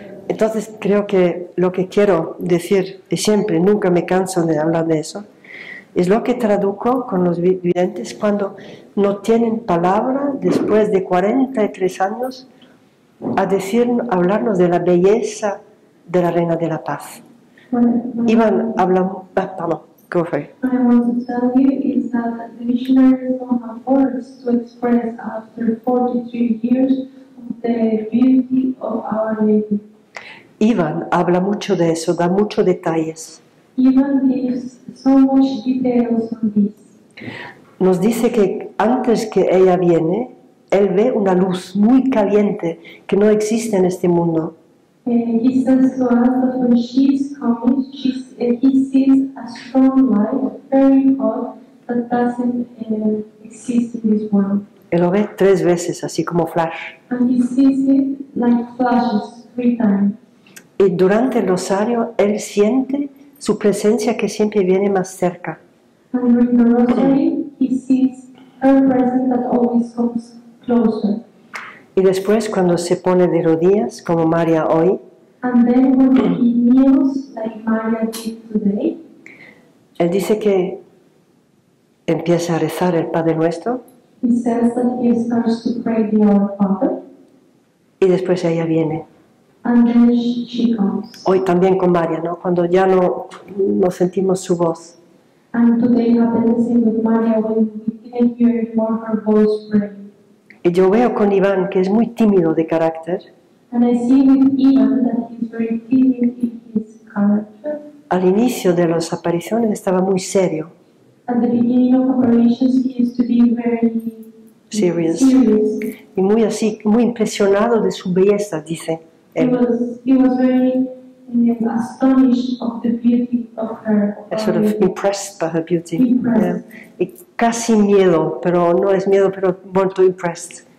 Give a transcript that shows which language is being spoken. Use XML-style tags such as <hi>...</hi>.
<es>Entonces creo que lo que quiero decir, y siempre, nunca me canso de hablar de eso, es lo que traduzco con los videntes cuando no tienen palabra después de 43 años a hablarnos de la belleza de la Reina de la Paz. Iván, hablamos... Ah, perdón.</es> <en>Go for it. What I want to tell you is that the missionaries don't have words to express after 43 years the beauty of our lady.</en> <es>Iván habla mucho de eso, da muchos detalles.</es> <en>Iván gives so much details on this.</en> <es>Nos dice que antes que ella viene, él ve una luz muy caliente que no existe en este mundo.</es> <en>He says to us that when she's coming, he sees a strong light, very hot, that doesn't exist in this world.</en> <es>Él lo ve 3 veces, así como flash.</es> <en>And he sees it like flashes, 3 times.</en> <es>Y durante el rosario, él siente su presencia que siempre viene más cerca.</es> <en>And during the rosary, he sees her presence that always comes closer.</en> <es>Y después, cuando se pone de rodillas, como María hoy,</es> <en>and then when he kneels, like Maria did today,</en> <es>Él dice que empieza a rezar el Padre Nuestro.</es> <en>He says that he starts to pray the Our Father.</en> <es>Y después ella viene.</es> <en>And then she comes.</en> <es>Hoy también con María, ¿no? Cuando ya no sentimos su voz.</es> <en>And today happens with Maria when we can hear more her voice pray.</en> <es>Y yo veo con Iván que es muy tímido de carácter.</es> <en>And I see with Iván that he's very timid in his character.</en> <es>Al inicio de las apariciones estaba muy serio.</es> <en>At the beginning of apparitions he used to be very serious.</en> <es>Y muy así, muy impresionado de su belleza, dice.</es> <en>He was very astonished of the beauty of her. Sort of impressed by her beauty. Yeah.</en> <es>Y casi miedo, pero no es miedo, pero muy impressed.</es>